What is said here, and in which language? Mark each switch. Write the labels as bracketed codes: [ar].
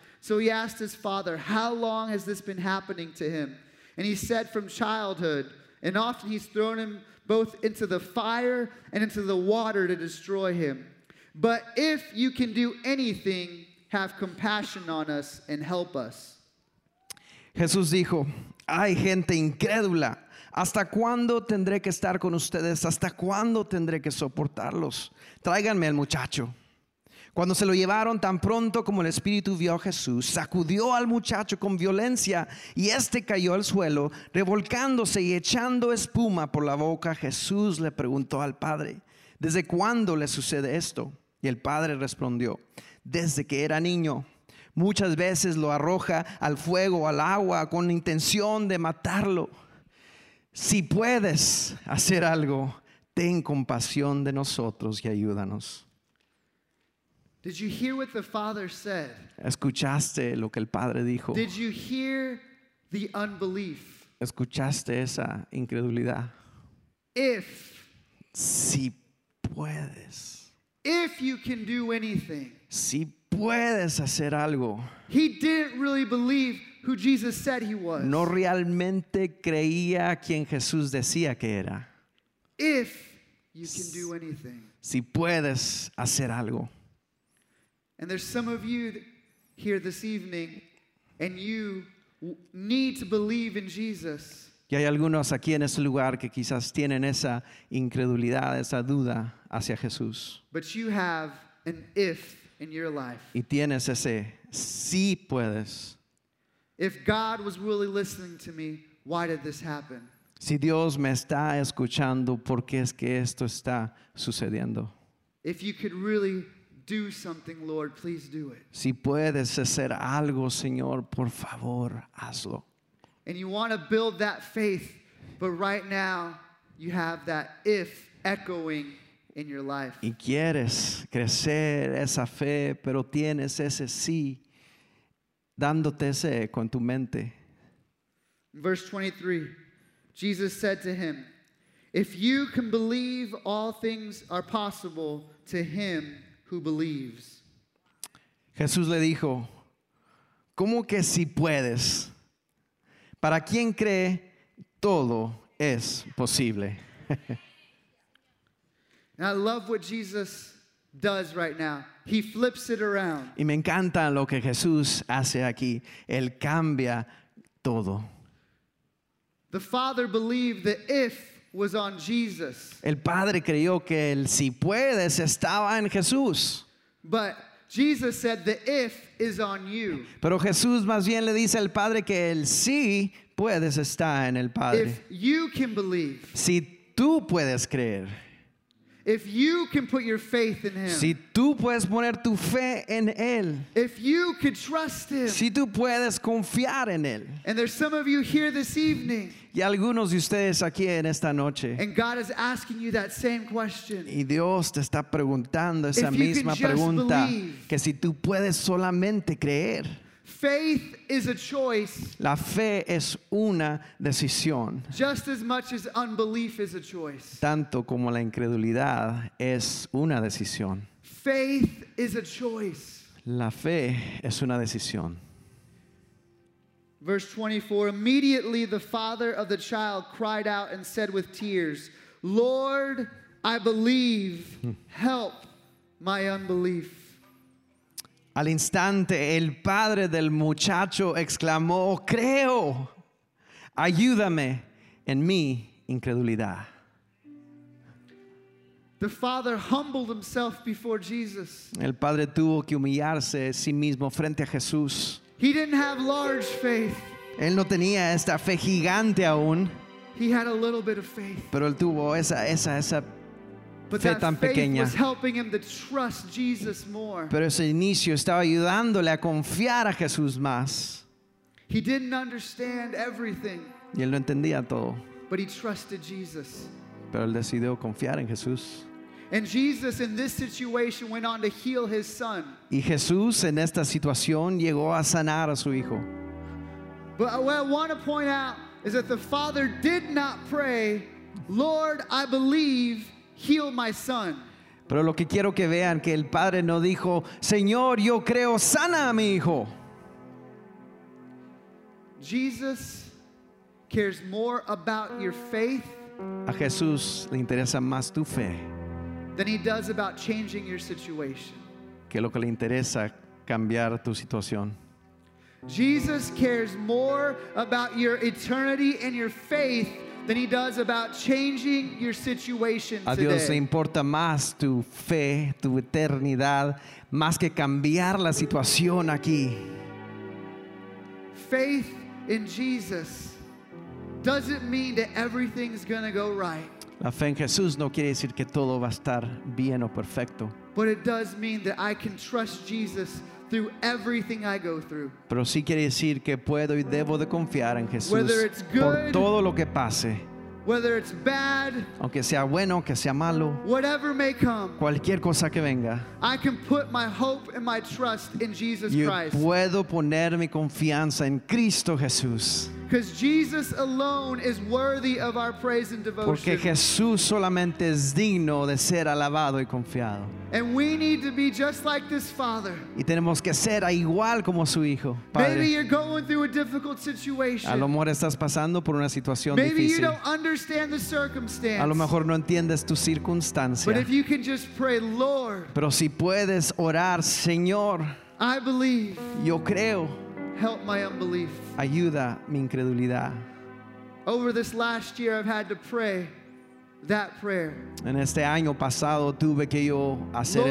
[en] So he asked his father, how long has this been happening to him? And he said, from childhood, and often he's thrown him both into the fire and into the water to destroy him. But if you can do anything, have compassion on us and help us. [es] Jesús dijo, ay, gente incrédula, ¿hasta cuándo tendré que estar con ustedes? ¿Hasta cuándo tendré que soportarlos? Tráiganme al muchacho. Cuando se lo llevaron, tan pronto como el Espíritu vio a Jesús, sacudió al muchacho con violencia y este cayó al suelo, revolcándose y echando espuma por la boca. Jesús le preguntó al padre, ¿desde cuándo le sucede esto? Y el padre respondió, desde que era niño. Muchas veces lo arroja al fuego, al agua, con la intención de matarlo. Si puedes hacer algo, ten compasión de nosotros y ayúdanos. [en] Did you hear what the father said? [es] ¿Escuchaste lo que el padre dijo? [en] Did you hear the unbelief? [es] ¿Escuchaste esa incredulidad? [en] If. [es] Si puedes. [en] If you can do anything. [es] Si puedes hacer algo. [en] He didn't really believe who Jesus said he was. [es] No realmente creía quien Jesús decía que era. [en] If you can do anything. [es] Si puedes hacer algo. [en] And there's some of you here this evening, and you need to believe in Jesus. [es] Y hay algunos aquí en este lugar que quizás tienen esa incredulidad, esa duda hacia Jesús. [en] But you have an if in your life. [es] Y tienes ese sí puedes. [en] If God was really listening to me, why did this happen? [es] Si Dios me está escuchando, ¿por qué es que esto está sucediendo? [en] If you could really do something, Lord, please do it. [es] Si puedes hacer algo, Señor, por favor, hazlo. [en] And you want to build that faith, but right now you have that if echoing in your life. [es] Y quieres crecer esa fe, pero tienes ese sí dándote ese eco en tu mente. [en] Verse 23, Jesus said to him, if you can believe, all things are possible to him who believes. [es] Jesús le dijo, ¿cómo que si puedes? Para quien cree, todo es posible. [en] And I love what Jesus does right now. He flips it around. [es] Y me encanta lo que Jesús hace aquí. Él cambia todo. [en] The Father believed that if was on Jesus. [es] El padre creyó que el si puedes estaba en Jesús. [en] But Jesus said the if is on you. [es] Pero Jesús más bien le dice al padre que el sí puedes estar en el padre. [en] If you can believe. [es] Si tú puedes creer. [en] If you can put your faith in him. [es] Si tú puedes poner tu fe en él. [en] If you could trust him. [es] Si tú puedes confiar en él. [en] And there's some of you here this evening. [es] Y algunos de ustedes aquí en esta noche. [en] And God is asking you that same question. [es] Y Dios te está preguntando esa misma pregunta. [en] If you can just believe. [es] Que si tú puedes solamente creer. [en] Faith is a choice. [es] La fe es una decisión. [en] Just as much as unbelief is a choice. [es] Tanto como la incredulidad es una decisión. [en] Faith is a choice. [es] La fe es una decisión. [en] Verse 24, immediately the father of the child cried out and said with tears, Lord, I believe, help my unbelief. [es] Al instante, el padre del muchacho exclamó, creo, ayúdame en mi incredulidad. [en] The father humbled himself before Jesus. [es] El padre tuvo que humillarse a sí mismo frente a Jesús. [en] He didn't have large faith. [es] Él no tenía esta fe gigante aún. [en] He had a little bit of faith. [es] Pero él tuvo esa [en] But [es] fe [en] that [es] tan [en] faith [es] pequeña. [en] Was helping him to trust Jesus more. [es] Pero ese inicio estaba ayudándole a confiar a Jesús más. [en] He didn't understand everything. [es] Y él no entendía todo. [en] But he trusted Jesus. [es] Pero él decidió confiar en Jesús. [en] And Jesus in this situation went on to heal his son. [es] Y Jesús en esta situación llegó a sanar a su hijo. [en] But what I want to point out is that the father did not pray, "Lord, I believe, heal my son." [es] Pero lo que quiero que vean que el padre no dijo, "Señor, yo creo, sana a mi hijo." [en] Jesus cares more about your faith. [es] A Jesús le interesa más tu fe. [en] Than he does about changing your situation. [es] Que lo que le interesa cambiar tu situación. [en] Jesus cares more about your eternity and your faith than he does about changing your situation today. [es] A Dios le importa más tu fe, tu eternidad, más que cambiar la situación aquí. [en] Faith in Jesus doesn't mean that everything's going to go right. [es] La fe en Jesús no quiere decir que todo va a estar bien o perfecto. [en] But it does mean that I can trust Jesus through everything I go through. [es] Pero sí quiere decir que puedo y debo de confiar en Jesús. [en] Whether it's good, [es] por todo lo que pase. [en] Whether it's bad, [es] aunque sea bueno, aunque sea malo. [en] Whatever may come, [es] cualquier cosa que venga. [en] I can put my hope and my trust in Jesus Christ. [es] Yo puedo poner mi confianza en Cristo Jesús. [en] Because Jesus alone is worthy of our praise and devotion. [es] Porque Jesús solamente es digno de ser alabado y confiado. [en] And we need to be just like this father. [es] Y tenemos que ser igual como su hijo. [en] Padre, maybe you're going through a difficult situation. [es] A lo mejor estás pasando por una situación [en] maybe [es] difícil. [en] You don't understand the circumstance. [es] A lo mejor no entiendes tu circunstancia. [en] But if you can just pray, Lord. [es] Pero si puedes orar, Señor. [en] I believe. [es] Yo creo. [en] Help my unbelief. [es] Ayuda mi incredulidad. [en] Over this last year, I've had to pray that prayer. [es] En este año pasado tuve que yo hacer